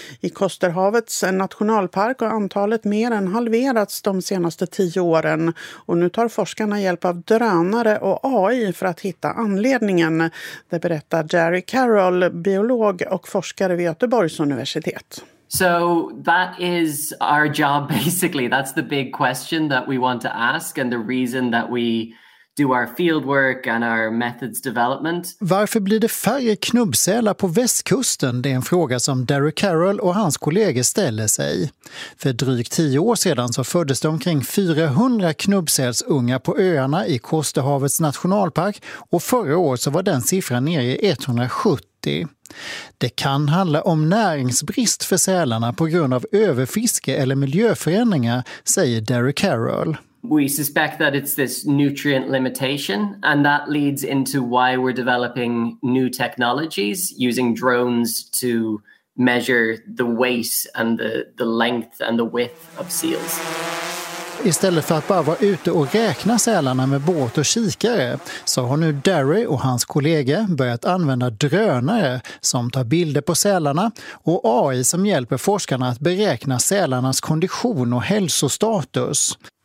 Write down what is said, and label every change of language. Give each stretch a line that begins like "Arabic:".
Swedish: I Kosterhavets nationalpark har antalet mer än halverats de senaste 10 åren. Och nu tar forskarna hjälp av drönare och AI för att hitta anledningen. Det berättar Jerry Carroll, biolog och forskare vid Göteborgs universitet.
English: So that is our job basically. That's the big question that we want to ask, and the reason that we... do our field work and our methods development.
Swedish: Varför blir det färre knubbsälar på västkusten? Det är en fråga som Derek Carroll och hans kollegor ställer sig. För drygt 10 år sedan så föddes det omkring 400 knubbsälsungar på öarna i Kosterhavets nationalpark, och förra året så var den siffran nere i 170. Det kan handla om näringsbrist för sälarna på grund av överfiske eller miljöförändringar, säger Derek Carroll.
English: We suspect that it's this nutrient limitation, and that leads into why we're developing new technologies using drones to measure the weight and the length and the width of seals.
Swedish: Istället för att bara vara ute och räkna sälarna med båt och kikare, så har nu Derry och hans kollega börjat använda drönare som tar bilder på sälarna, och AI som hjälper forskarna att beräkna sälarnas kondition och hälsostatus.